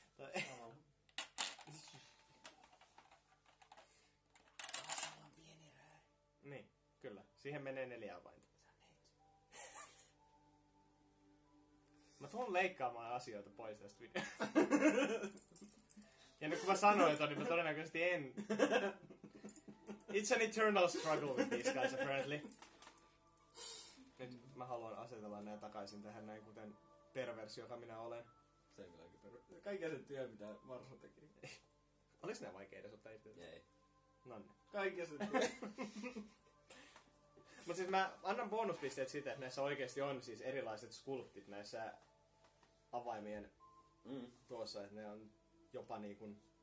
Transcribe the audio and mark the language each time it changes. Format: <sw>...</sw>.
<fi>Tämä on pieni rööri. Niin, kyllä. Siihen menee 4 avainta. Mä tuun leikkaamaan asioita pois tästä videosta. Ja nyt kun mä sanoin ton, niin mä todennäköisesti en.</fi> <en>It's an eternal struggle with these guys, apparently.</en> <fi>Nyt mä haluan asetella nää takaisin tähän näin, kuten perversi, joka minä olen. Se on kylläkin perversi. Kaiken sen työn, mitä Marso teki. Olis nää vaikea edes ottaa itse? Ei. Nonne. Kaiken sen työn. Mut siis mä annan bonuspisteet siitä, että näissä oikeesti on siis erilaiset skulptit näissä avaimien tuossa, että ne on jopa niinkun...</fi>